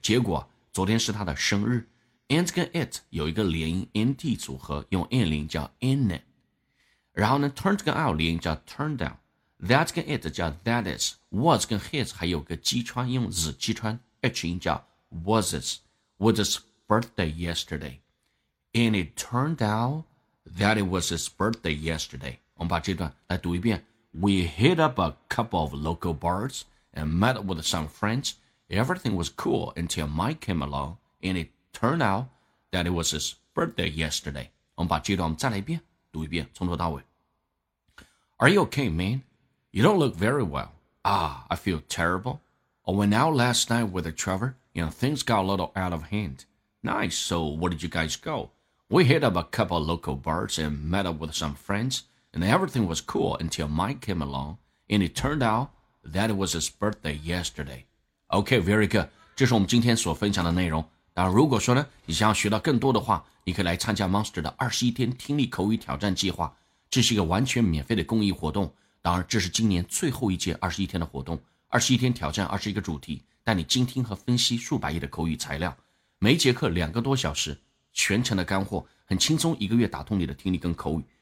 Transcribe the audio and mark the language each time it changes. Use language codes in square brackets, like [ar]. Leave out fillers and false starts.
[zh] 结果昨天是他的生日。And 跟 it 有一个连音 nt 组合，用 n 连叫 in it， 然后呢 turned 跟 out 连音叫 turn down， that 跟 it 叫 that is， was 跟 his 还有个击穿，用 z 击穿 h 音叫 was his birthday yesterday， [en] and it turned out that it was his birthday yesterday。 [zh] 我们把这段来读一遍。 [en] We hit up a couple of local bars and met with some friends. Everything was cool until Mike came along and itTurned out that it was his birthday yesterday. [zh] 我们把这段我们再来一遍，读一遍，从头到尾。 [en] Are you okay, man? You don't look very well. Ah, I feel terrible. I went out last night with Trevor, and things got a little out of hand. Nice, so where did you guys go? We hit up a couple of local bars and met up with some friends, and everything was cool until Mike came along, and it turned out that it was his birthday yesterday. Okay, very good. [zh] 这是我们今天所分享的内容。那如果说呢，你想要学到更多的话，你可以来参加 Monster 的21天听力口语挑战计划。这是一个完全免费的公益活动，当然这是今年最后一届21天的活动。 21天挑战21个主题，带你精听和分析数百页的口语材料，每节课两个多小时，全程的干货，很轻松一个月打通你的听力跟口语。